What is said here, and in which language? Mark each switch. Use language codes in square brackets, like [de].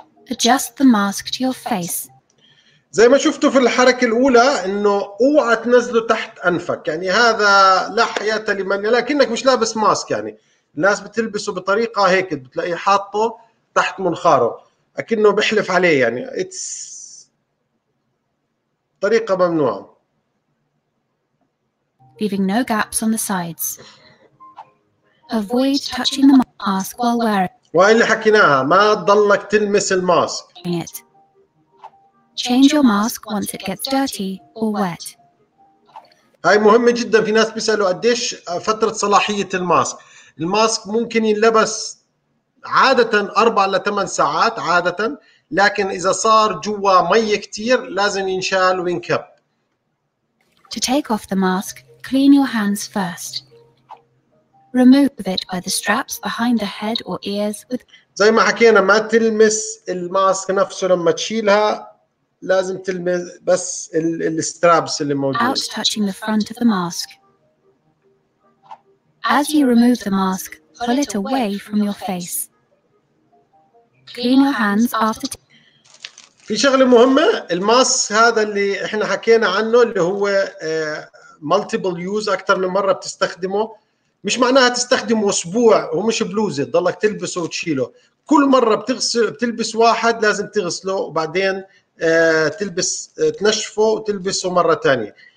[en] Adjust the mask to your face. [ar] زي ما شفتوا في الحركة الأولى إنه اوعى تنزله تحت أنفك، يعني هذا لا حياة لمن، لكنك مش لابس ماسك، يعني الناس بتلبسه بطريقة هيك بتلاقيه حاطه تحت منخاره أكنه بحلف عليه، يعني it's طريقة ممنوعة. [en] Leaving no gaps on the sides. Avoid touching the mask while wearing. [ar] وهي اللي حكيناها، ما تضلك تلمس الماسك. [en] Change your mask once it gets dirty or wet. [ar] هاي مهمة جدا. في ناس بيسألوا قديش فترة صلاحية الماسك. الماسك ممكن ينلبس عادة 4 إلى 8 ساعات عادة، لكن إذا صار جوا مية كتير لازم ينشال وينكب. [en] To take off the mask, clean your hands first. Remove it by the straps behind the head or ears with. [ar] زي ما حكينا ما تلمس الماسك نفسه لما تشيلها، لازم تلمس بس الستربس اللي موجود. [en] Out touching the front of the mask. As you remove the mask, pull it away from your face. Clean your hands after. [ar] في شغلة مهمة، الماسك هذا اللي احنا حكينا عنه اللي هو multiple use، أكثر من مرة بتستخدمه، مش معناها تستخدمه أسبوع ومش بلوزة تضلك تلبسه وتشيله. كل مرة بتغسل بتلبس واحد لازم تغسله وبعدين تلبس تنشفه وتلبسه مرة تانية.